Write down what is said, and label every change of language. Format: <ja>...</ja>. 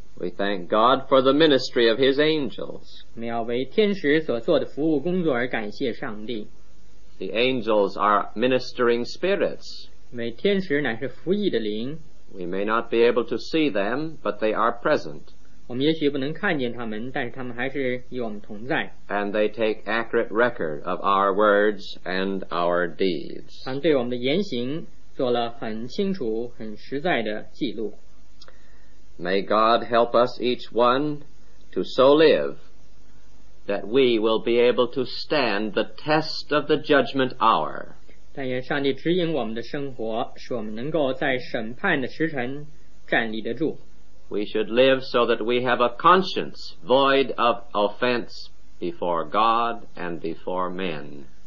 <en>We thank God for the ministry of His angels.</en> <zh>我们要为天使所做的服务工作而感谢上帝。</zh> <en>The angels are ministering spirits.</en> <zh>每天使乃是服役的灵。</zh> <en>We may not be able to see them, but they are present.</en> <zh>我们也许不能看见他们, 但是他们还是与我们同在。</zh> <en>And they take accurate record of our words and our deeds.</en> <zh>他们对我们的言行做了很清楚、很实在的记录。</zh> <en>May God help us each one to so live that we will be able to stand the test of the judgment hour.</en> <zh>但愿上帝指引我们的生活，使我们能够在审判的时辰站立得住。</zh> <en>We should live so that we have a conscience void of offense before God and before men.</en>